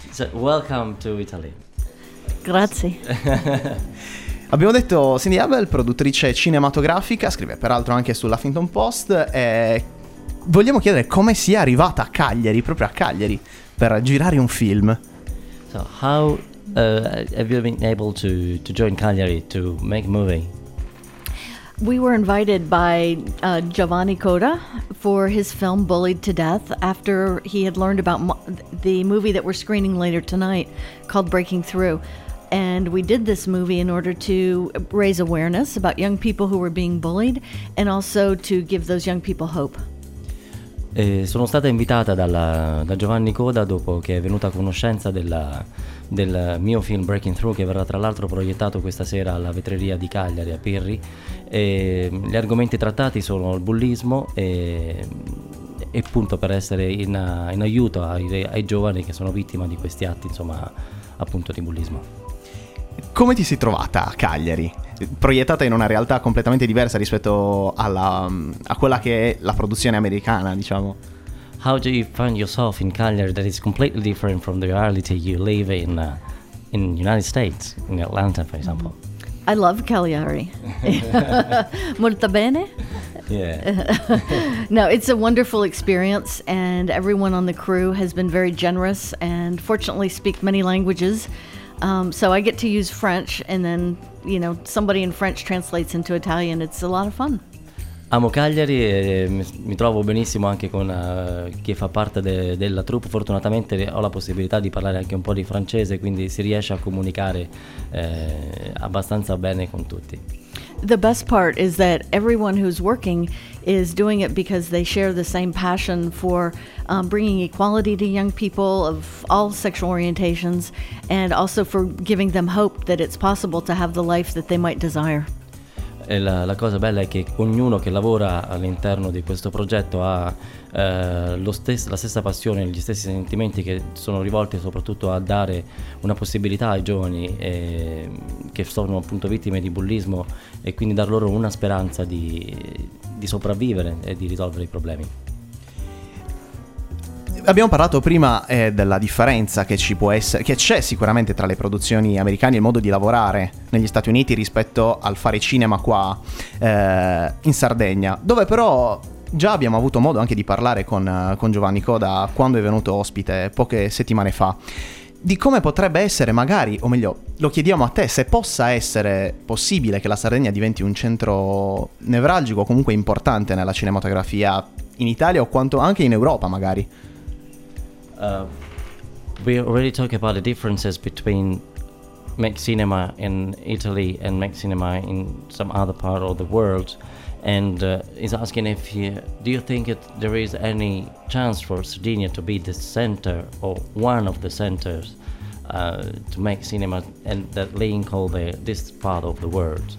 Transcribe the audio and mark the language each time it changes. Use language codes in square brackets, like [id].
[en] Welcome to Italy. [it] Grazie. Abbiamo detto Cindy Abel, produttrice cinematografica, scrive peraltro anche sull'Huffington Post, e vogliamo chiedere come sia arrivata a Cagliari, proprio a Cagliari, per girare un film. [en] So, how have you been able to join Cagliari to make a movie? We were invited by Giovanni Coda for his film Bullied to Death after he had learned about the movie that we're screening later tonight called Breaking Through. And we did this movie in order to raise awareness about young people who were being bullied and also to give those young people hope. [it] Sono stata invitata da Giovanni Coda dopo che è venuta a conoscenza del mio film Breaking Through, che verrà tra l'altro proiettato questa sera alla vetreria di Cagliari a Pirri. E gli argomenti trattati sono il bullismo e appunto per essere in aiuto ai giovani che sono vittime di questi atti, insomma, appunto di bullismo. Come ti sei trovata a Cagliari? Proiettata in una realtà completamente diversa rispetto a quella che è la produzione americana, diciamo. [en] How do you find yourself in Cagliari that is completely different from the reality you live in United States, in Atlanta, for example? I love Cagliari. [it] Molto bene. [en] Yeah. No, it's a wonderful experience, and everyone on the crew has been very generous and fortunately speak many languages. So I get to use French, and then, you know, somebody in French translates into Italian. It's a lot of fun. [it] Amo Cagliari e mi trovo benissimo anche con chi fa parte della troupe. Fortunatamente ho la possibilità di parlare anche un po' di francese, quindi si riesce a comunicare abbastanza bene con tutti. [en] The best part is that everyone who's working is doing it because they share the same passion for bringing equality to young people of all sexual orientations, and also for giving them hope that it's possible to have the life that they might desire. [it] E la cosa bella è che ognuno che lavora all'interno di questo progetto ha la stessa passione, gli stessi sentimenti che sono rivolti soprattutto a dare una possibilità ai giovani che sono appunto vittime di bullismo, e quindi dar loro una speranza di sopravvivere e di risolvere i problemi. Abbiamo parlato prima della differenza che ci può essere, che c'è sicuramente tra le produzioni americane e il modo di lavorare negli Stati Uniti rispetto al fare cinema qua in Sardegna, dove però già abbiamo avuto modo anche di parlare con Giovanni Coda quando è venuto ospite poche settimane fa, di come potrebbe essere magari, o meglio, lo chiediamo a te, se possa essere possibile che la Sardegna diventi un centro nevralgico, comunque importante nella cinematografia in Italia o quanto anche in Europa magari. [en] We already talked about the differences between make cinema in Italy and make cinema in some other part of the world, and is asking if do you think that there is any chance for Sardinia to be the center or one of the centers to make cinema and that link all this part of the world?